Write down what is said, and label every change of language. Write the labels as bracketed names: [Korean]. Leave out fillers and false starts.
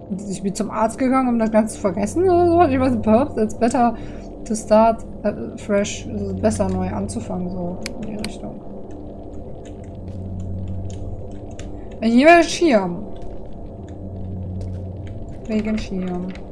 [German] Ich bin zum Arzt gegangen, um das Ganze zu vergessen oder so. Ich weiß nicht, [English] perhaps it's better to start fresh. [German] Es ist besser, neu anzufangen, so in die Richtung. Hier wäre Schirm. Wegen Schirm.